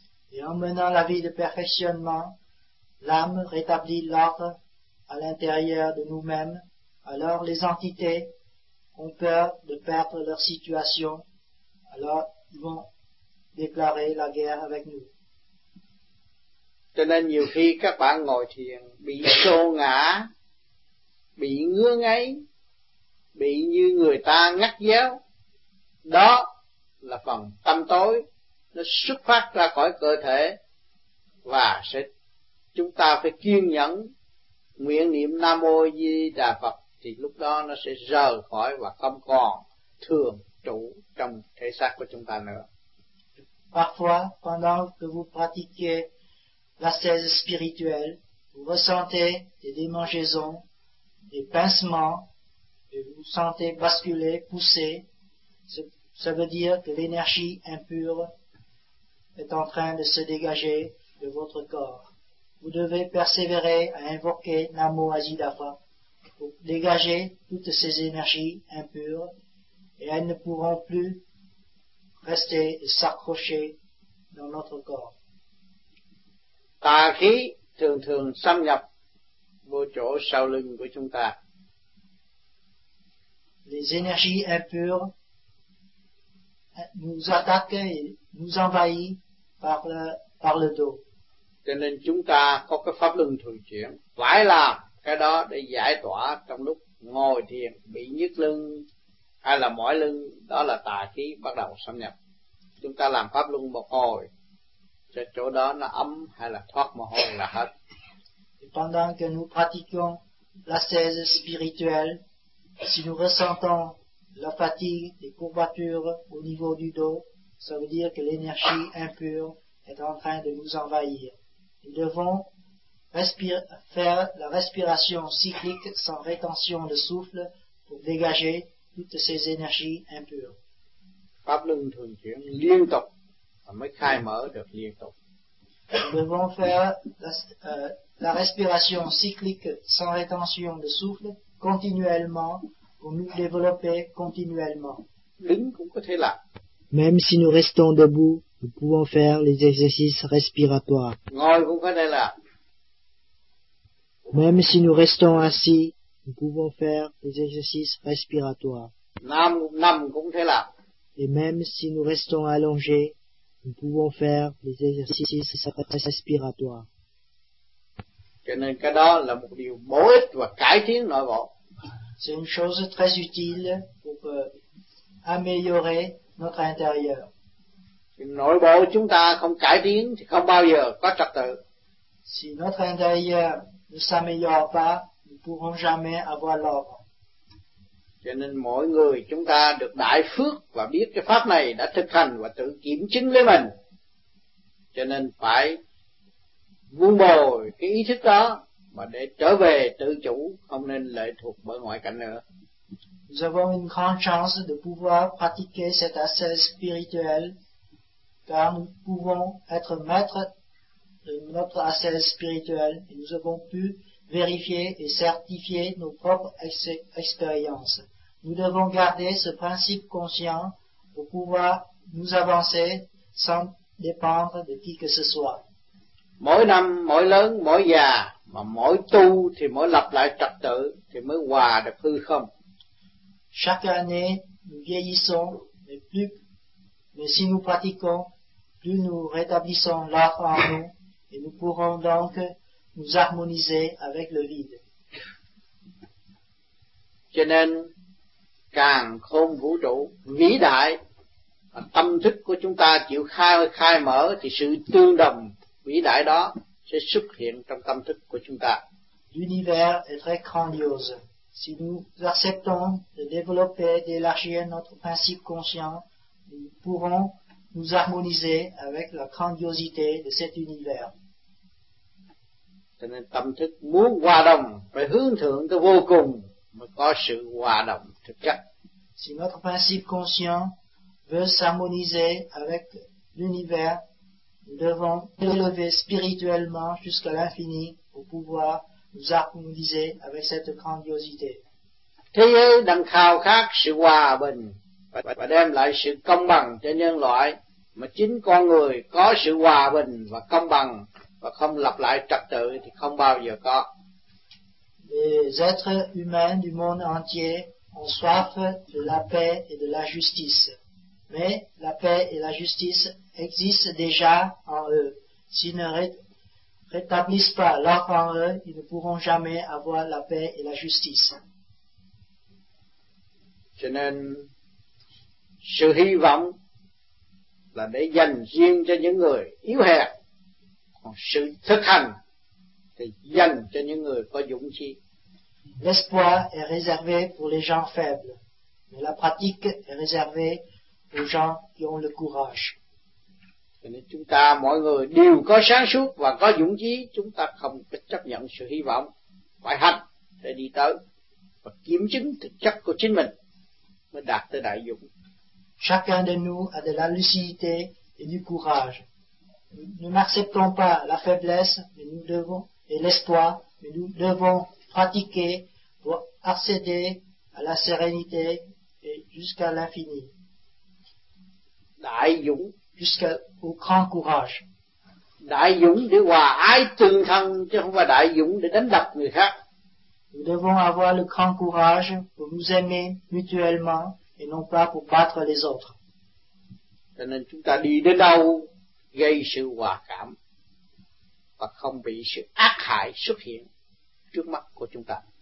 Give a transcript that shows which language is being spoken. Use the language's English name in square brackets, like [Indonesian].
[French] Et en menant la vie de perfectionnement, l'âme rétablit l'ordre à l'intérieur de nous-mêmes, alors les entités ont peur de perdre leur situation, alors ils vont déclarer la guerre avec nous. [Vietnamese] Cho nên nhiều khi các bạn ngồi thiền bị xô ngã, bị ngứa ngáy, bị như người ta ngắt déo, đó là phần tâm tối, nó xuất phát ra khỏi cơ thể, và sẽ chúng ta phải kiên nhẫn nguyện niệm Nam Mô A Di Đà Phật, thì lúc đó nó sẽ rời khỏi và không còn thường trụ trong thể xác của chúng ta nữa. [French] Parfois, pendant que vous pratiquez l'ascèse spirituelle, vous ressentez des démangeaisons, des pincements, et vous sentez basculer, pousser. Ça veut dire que l'énergie impure est en train de se dégager de votre corps. Vous devez persévérer à invoquer Namo Ajidafa pour dégager toutes ces énergies impures, et elles ne pourront plus rester s'accrocher dans notre corps. [Vietnamese] Tà khí thường thường xâm nhập vô chỗ sau lưng của chúng ta. [French] Les énergies impures nous attaquent et nous envahissent par le dos. [Vietnamese] Cho nên chúng ta có cái pháp luân thường chuyển, phải làm cái đó để giải tỏa trong lúc ngồi thiền bị nhức lưng hay là mỏi lưng, đó là tà khí bắt đầu xâm nhập. Chúng ta làm pháp luân một hồi, cho chỗ đó nó ấm hay là thoát mồ hôi là hết. [French] Et pendant que nous pratiquons l'ascèse spirituelle, si nous ressentons la fatigue, des courbatures au niveau du dos, ça veut dire que l'énergie impure est en train de nous envahir. Nous devons faire la respiration cyclique sans rétention de souffle pour dégager toutes ces énergies impures. [Vietnamese] Pháp luân thường chuyển liên tục mới khai mở được liên tục. [French] Nous devons faire la respiration cyclique sans rétention de souffle continuellement pour nous développer continuellement. [Vietnamese] Đứng cũng có thể là. [French] Même si nous restons debout, nous pouvons faire les exercices respiratoires. [Vietnamese] Ngồi cũng có thể là. [French] Même si nous restons assis, nous pouvons faire les exercices respiratoires. [Vietnamese] Nam cũng thế là. [French] Et même si nous restons allongés, nous pouvons faire les exercices respiratoires. [Vietnamese] Cho nên cái đó là một điều bổ ích và cải tiến nội bộ. [French] C'est une chose très utile pour améliorer notre intérieur. [Vietnamese] Nội bộ chúng ta không cải tiến thì không bao giờ có trật tự. [French] Si notre intérieur ne s'améliore pas, nous ne pourrons jamais avoir l'ordre. [Vietnamese] Cho nên mỗi người chúng ta được đại phước và biết cái pháp này đã thực hành và tự kiểm chứng với mình. Cho nên phải vun bồi cái ý thức đó mà để trở về tự chủ, không nên lệ thuộc bởi ngoại cảnh nữa. [French] Nous avons une grande chance de pouvoir pratiquer cette ascèse spirituelle, car nous pouvons être maîtres de notre ascèse spirituelle et nous avons pu vérifier et certifier nos propres expériences. Nous devons garder ce principe conscient pour pouvoir nous avancer sans dépendre de qui que ce soit. [Vietnamese] Mỗi năm, mỗi lớn, mỗi già, mà mỗi tu thì mỗi lập lại trật tự thì mới hòa được hư không. [French] Chaque année, nous vieillissons, mais si nous pratiquons, plus nous rétablissons l'ordre en nous, et nous pourrons donc nous harmoniser avec le vide. [Vietnamese] Cho nên, càng khôn vũ trụ vĩ đại, mà tâm thức của chúng ta chịu khai mở thì sự tương đồng vĩ đại đó sẽ xuất hiện trong tâm thức của chúng ta. [French] L'univers est très grandiose. Si nous acceptons de développer, d'élargir notre principe conscient, nous pourrons nous harmoniser avec la grandiosité de cet univers. [Vietnamese] Cho nên tâm thức muốn hòa đồng phải hướng thượng tới vô cùng mới có sự hòa đồng thực chất. [French] Si notre principe conscient veut s'harmoniser avec l'univers, nous devons élever spirituellement jusqu'à l'infini pour pouvoir nous harmoniser avec cette grandiosité. [Vietnamese] Thế giới đang khao khát sự hòa bình và đem lại sự công bằng cho nhân loại, mà chính con người có sự hòa bình và công bằng và không lặp lại trật tự thì không bao giờ có. [French] Les êtres humains du monde entier ont soif de la paix et de la justice. Mais la paix et la justice existent déjà en eux. S'ils ne rétablissent pas l'ordre en eux, ils ne pourront jamais avoir la paix et la justice. [Vietnamese] Cho nên sự hy vọng là để dành riêng cho những người yếu hèn, còn sự thực hành thì dành cho những người có dũng chí. [French] L'espoir est réservé pour les gens faibles, mais la pratique est réservée aux gens qui ont le courage. [Vietnamese] Cho nên chúng ta mọi người đều có sáng suốt và có dũng chí, chúng ta không chấp nhận sự hy vọng, phải hành để đi tới và kiểm chứng thực chất của chính mình mới đạt tới đại dũng. [French] Chacun de nous a de la lucidité et du courage. Nous n'acceptons pas la faiblesse, mais nous devons et l'espoir, mais nous devons pratiquer pour accéder à la sérénité et jusqu'à l'infini. [Vietnamese] Đại dũng [French] jusqu'au grand courage. [Vietnamese] Đại dũng để hòa ái tương thân chứ không phải đại dũng để đánh đập người khác. [French] Nous devons avoir le grand courage pour nous aimer mutuellement et non pas pour battre les autres. [Vietnamese] Cho nên chúng ta đi đến đâu gây sự hòa cảm và không bị sự ác hại xuất hiện trước mắt của chúng ta.